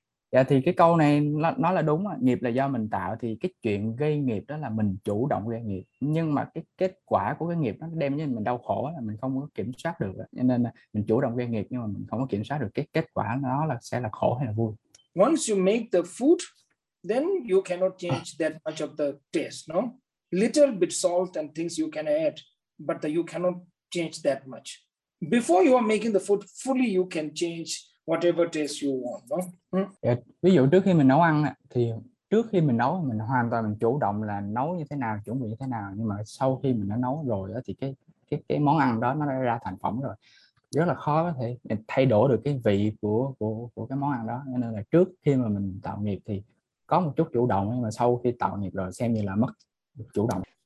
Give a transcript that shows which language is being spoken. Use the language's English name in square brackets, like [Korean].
[Vietnamese] Dạ thì cái câu này nó là đúng, nghiệp là do mình tạo thì cái chuyện gây nghiệp đó là mình chủ động gây nghiệp, nhưng mà cái kết quả của cái nghiệp nó đem cho mình đau khổ là mình không có kiểm soát được, cho nên là mình chủ động gây nghiệp nhưng mà mình không có kiểm soát được cái kết quả nó là sẽ là khổ hay là vui. [English] Once you make the food, then you cannot change that much of the taste, no? Little bit salt and things you can add, but you cannot change that much. Before you are making the food fully, you can change whatever taste you want, no? [Vietnamese] Ví dụ trước khi mình nấu ăn, thì trước khi mình nấu, mình hoàn toàn mình chủ động là nấu như thế nào, chuẩn bị như thế nào. Nhưng mà sau khi mình đã nấu rồi, thì cái món ăn đó nó đã ra thành phẩm rồi. Rất là khó có thể thay đổi được cái vị của cái món ăn đó. Nên là trước khi mà mình tạo nghiệp thì có một chút chủ động, nhưng mà sau khi tạo nghiệp rồi xem như là mất chủ động.